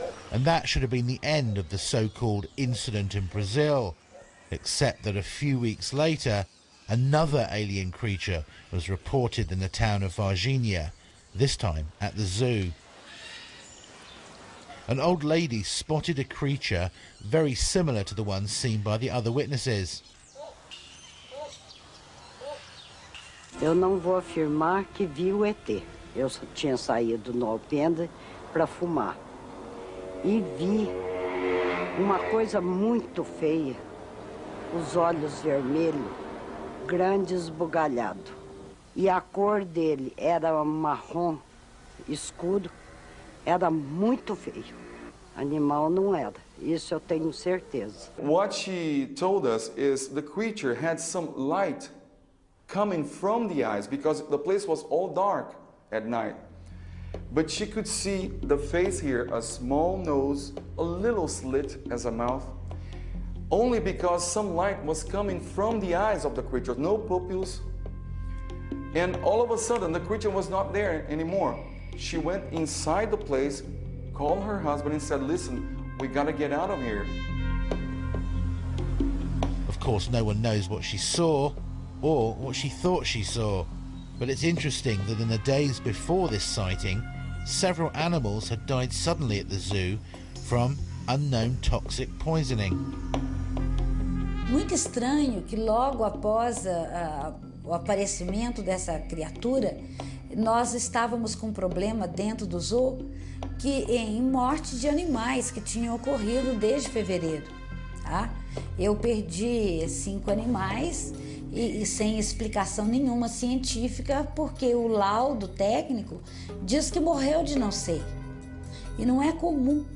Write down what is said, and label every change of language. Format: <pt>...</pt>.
<en>And that should have been the end of the so-called incident in Brazil, except that a few weeks later, another alien creature was reported in the town of Virginia, this time at the zoo. An old lady spotted a creature very similar to the one seen by the other witnesses.</en> <pt>Eu não vou afirmar que vi o ET. Eu só tinha saído no alpendre para fumar. E vi uma coisa muito feia, os olhos vermelhos, grandes esbugalhados. E a cor dele era marrom escuro, era muito feio. Animal não era, isso eu tenho certeza.</pt> <en>What she told us is the creature had some light coming from the eyes because the place was all dark at night. But she could see the face here, a small nose, a little slit as a mouth, only because some light was coming from the eyes of the creature, no pupils. And all of a sudden, the creature was not there anymore. She went inside the place, called her husband and said, listen, we gotta get out of here. Of course, no one knows what she saw or what she thought she saw. But it's interesting that in the days before this sighting, several animals had died suddenly at the zoo from unknown toxic poisoning.</en> <pt>Muito estranho que logo após o aparecimento dessa criatura, nós estávamos com um problema dentro do zoo que em morte de animais que tinham ocorrido desde fevereiro. Tá? Eu perdi 5 animais e sem explicação nenhuma científica, porque o laudo técnico diz que morreu de não sei. E não é comum.</pt>